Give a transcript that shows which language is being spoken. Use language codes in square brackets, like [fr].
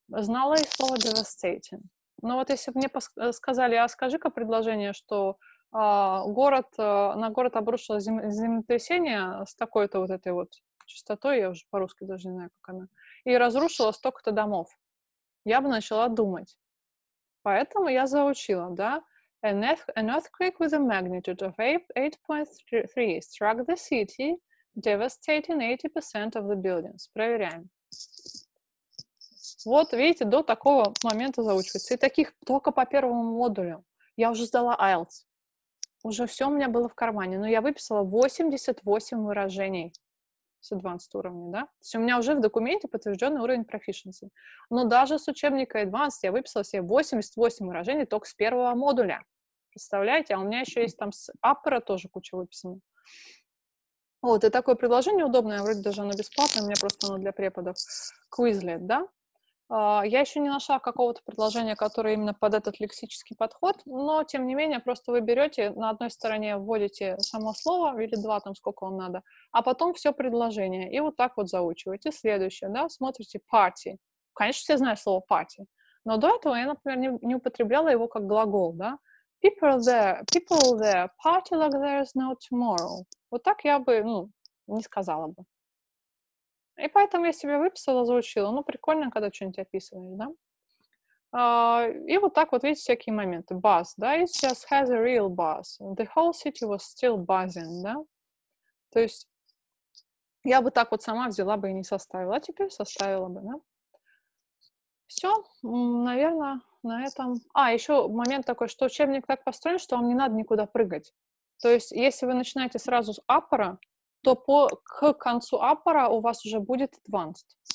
[ru] Знала и слово devastating. Но вот если бы мне сказали, а скажи-ка предложение, что город обрушилось землетрясение с такой-то вот этой вот частотой, я уже по-русски даже не знаю, как она, и разрушило столько-то домов, я бы начала думать. Поэтому я заучила, да? [en] An earthquake with a magnitude of 8.3 struck the city, devastating 80% of the buildings. [ru] Проверяем. Вот, видите, до такого момента заучивается. И таких только по первому модулю. Я уже сдала IELTS. Уже все у меня было в кармане. Но я выписала 88 выражений с advanced уровня, да? То есть у меня уже в документе подтвержденный уровень proficiency. Но даже с учебника advanced я выписала себе 88 выражений только с первого модуля. Представляете? А у меня еще есть там с upper тоже куча выписана. Вот, и такое предложение удобное. Вроде даже оно бесплатное. У меня просто оно для преподов. Quizlet, да? Я еще не нашла какого-то предложения, которое именно под этот лексический подход, но, тем не менее, просто вы берете, на одной стороне вводите само слово, или два, там, сколько вам надо, а потом все предложение, и вот так вот заучиваете. Следующее, да, смотрите, party. Конечно, все знают слово party, но до этого я, например, не употребляла его как глагол, да. [en] People there, party like there's no tomorrow. [ru] Вот так я бы, ну, не сказала бы. И поэтому я себе выписала, заучила. Ну, прикольно, когда что-нибудь описываешь, да? И вот так вот, видите, всякие моменты. [en] Buzz, да? It just has a real buzz. The whole city was still buzzing, да? [ru] То есть я бы так вот сама взяла бы и не составила. А теперь составила бы, да? Все, наверное, на этом... А, еще момент такой, что учебник так построен, что вам не надо никуда прыгать. То есть если вы начинаете сразу с upper, то к концу аппара у вас уже будет advanced.